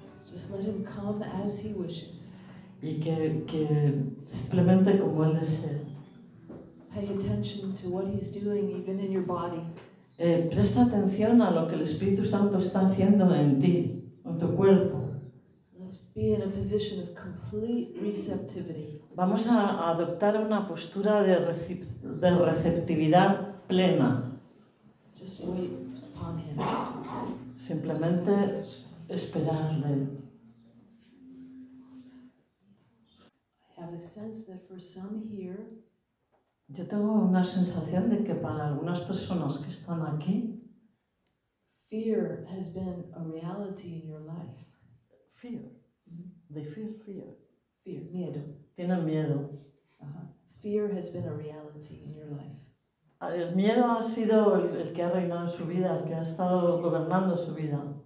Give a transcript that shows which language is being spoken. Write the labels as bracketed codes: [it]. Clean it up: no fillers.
[en] Just let him come as he wishes. [es] Y que simplemente como él desee. [en] Pay attention to what he's doing even in your body. [es] Presta atención a lo que el Espíritu Santo está haciendo en ti, en tu cuerpo. [en] Let's be in a position of complete receptivity. [es] Vamos a adoptar una postura de receptividad plena. [en] Just wait upon him. [es] Simplemente esperarle. [en] I have a sense that for some here, [es] yo tengo una sensación de que para algunas personas que están aquí, [en] fear has been a reality in your life. Fear. They feel fear. Fear, miedo. [es] Tienen miedo. [en] Fear has been a reality in your life. [es] El miedo ha sido el que ha reinado en su vida, el que ha estado gobernando su vida.